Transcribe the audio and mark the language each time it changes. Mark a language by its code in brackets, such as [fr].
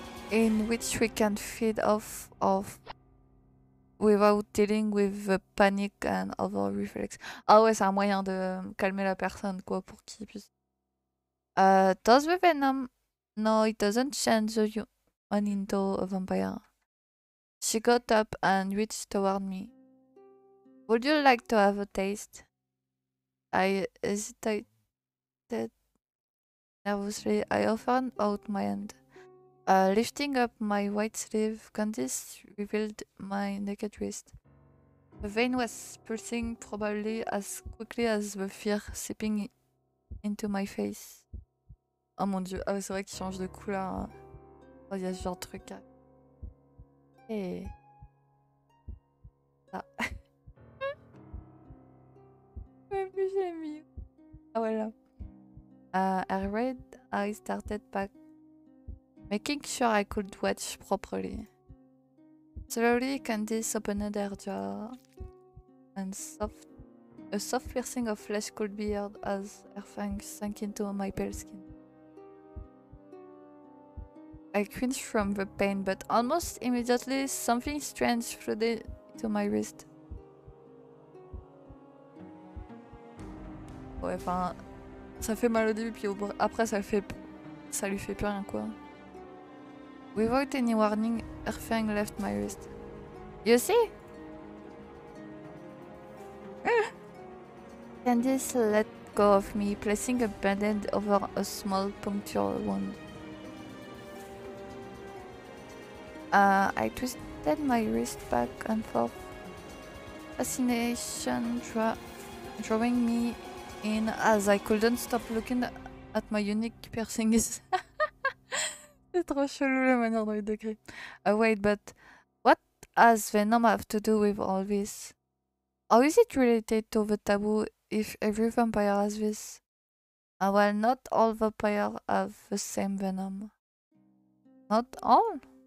[en] In which we can feed off of without dealing with the panic and other reflex. [fr] Ah ouais, c'est un moyen de calmer la personne quoi pour qu'il puisse. [en] Does the venom? No, it doesn't change the human into a vampire. She got up and reached toward me. Would you like to have a taste? I hesitated nervously. I offered out my hand. Lifting up my white sleeve, Candice revealed my naked wrist. The vein was pulsing probably as quickly as the fear seeping into my face. [fr] Oh mon dieu, ah, c'est vrai qu'il change de couleur. Hein. Oh, il y a ce genre de truc. Hein. Et... Ah. Mais plus j'ai mis. Ah voilà. [en] Her red eyes started back. Making sure I could watch properly. Slowly, Candice opened her jaw, and a soft piercing of flesh could be heard as her fangs sank into my pale skin. I cringed from the pain, but almost immediately, something strange flooded into my wrist. [fr] Ouais, enfin, ça fait mal au début, puis après ça lui fait plus rien, quoi. [en] Without any warning, her fang left my wrist. You see? Candice let go of me, placing a band-aid over a small punctured wound. I twisted my wrist back and forth. Fascination drawing me in as I couldn't stop looking at my unique piercings. [fr] C'est trop chelou la manière dont il décrit. [en] Wait, but what has venom have to do with all this? How is it related to the taboo if every vampire has this? Well, not all vampires have the same venom. Not all?